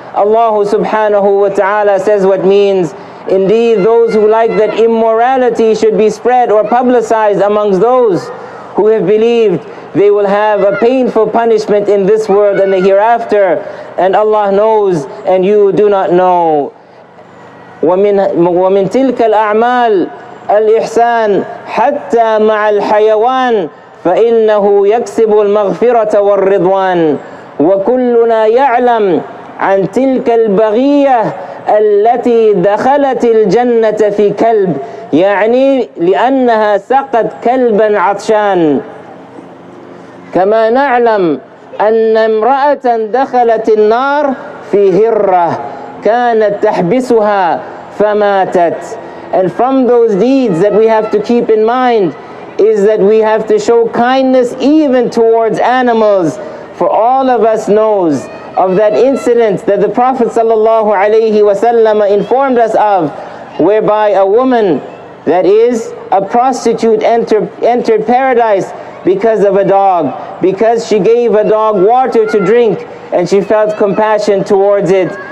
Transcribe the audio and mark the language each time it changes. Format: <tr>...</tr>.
<en>Allah subhanahu wa ta'ala says what means, indeed those who like that immorality should be spread or publicized amongst those who have believed, they will have a painful punishment in this world and the hereafter, and Allah knows and you do not know.</en> <ar>ومن تلك الأعمال الإحسان حتى مع الحيوان فإنه يكسب المغفرة والرضوان وكلنا يعلم عن تلك البغية التي دخلت الجنة في كلب يعني لأنها سقت كلبا عطشان كما نعلم أن امرأة دخلت النار في هرة كانت تحبسها فماتت.</ar> <en>And from those deeds that we have to keep in mind is that we have to show kindness even towards animals. For all of us knows of that incident that the Prophet sallallahu alayhi wasallam informed us of, whereby a woman that is a prostitute entered paradise because of a dog, because she gave a dog water to drink and she felt compassion towards it.</en>